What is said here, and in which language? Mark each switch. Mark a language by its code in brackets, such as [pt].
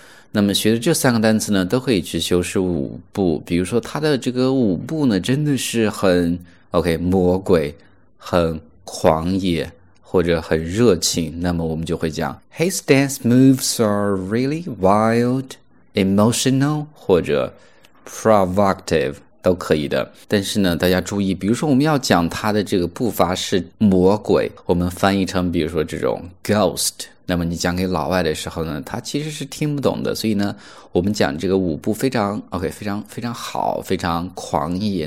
[zh] 那么学的这三个单词呢，都可以去修饰舞步。比如说，他的这个舞步呢，真的是很 OK， 魔鬼，很狂野，或者很热情。那么我们就会讲 [en] ，His dance moves are really wild, emotional， [zh] 或者 [en] provocative。 [zh] 都可以的，但是呢，大家注意，比如说我们要讲他的这个步伐是魔鬼，我们翻译成比如说这种 ghost， 那么你讲给老外的时候呢，他其实是听不懂的。所以呢，我们讲这个舞步非常 OK， 非常非常好，非常狂野。